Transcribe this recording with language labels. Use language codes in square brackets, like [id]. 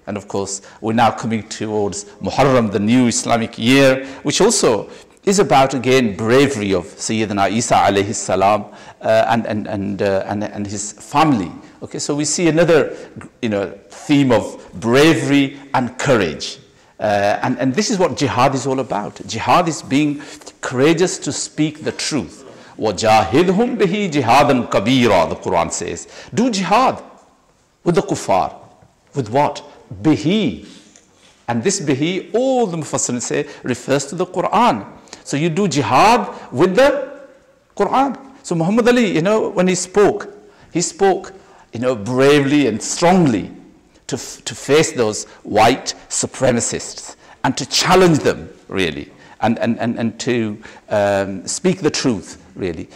[en] And of course, we're now coming towards Muharram, the new Islamic year, which also is about, again, bravery of Sayyidina Isa alayhi salam and his family. Okay, so we see another, you know, theme of bravery and courage. And this is what jihad is all about. Jihad is being courageous to speak the truth. [ar] وَجَاهِدْهُمْ بِهِ جِهَادًا كَبِيرًا, [en] the Quran says. Do jihad with the kuffar. With what? Bihi. And this bihi, all the Mufassirin say, refers to the Quran. So you do jihad with the Quran. So Muhammad Ali, you know, when he spoke, you know, bravely and strongly to face those white supremacists and to challenge them, really, and to speak the truth, really.